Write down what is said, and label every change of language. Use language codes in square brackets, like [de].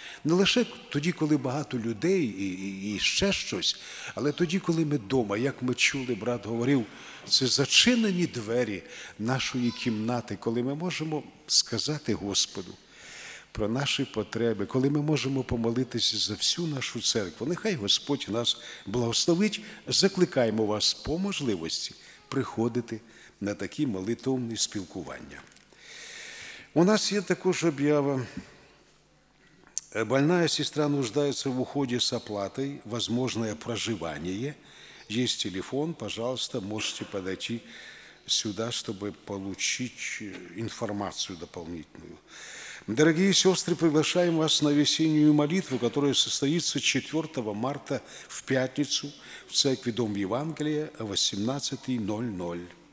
[uk] Не лише тоді, коли багато людей і ще щось, але тоді, коли ми вдома, як ми чули, брат говорив, це зачинені двері нашої кімнати, коли ми можемо сказати Господу про наші потреби, коли ми можемо помолитися за всю нашу церкву. Нехай Господь нас благословить. Закликаємо вас по можливості приходити на такі молитовні спілкування. У нас є також об'ява. [ru] Больная сестра нуждается в уходе с оплатой, возможное проживание. Есть телефон, пожалуйста, можете подойти сюда, чтобы получить информацию дополнительную. Дорогие сестры, приглашаем вас на весеннюю молитву, которая состоится 4 марта в пятницу в церкви Дом Евангелия, 18:00.